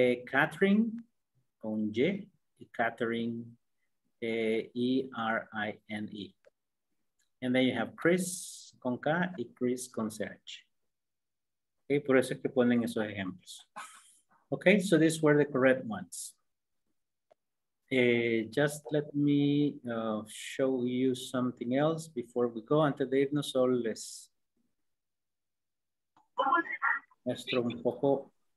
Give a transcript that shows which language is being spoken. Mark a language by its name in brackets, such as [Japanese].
[Spanish] Catherine con Y y Catherine E-R-I-N-E. [English] And then you have Chris [Spanish] con K y [English] Chris [Spanish] con CH. Okay, por eso es que ponen esos ejemplos. [English] Okay, so these were the correct ones. Just let me show you something else before we go. [Spanish] Antes de irnos, solo les muestro un poco.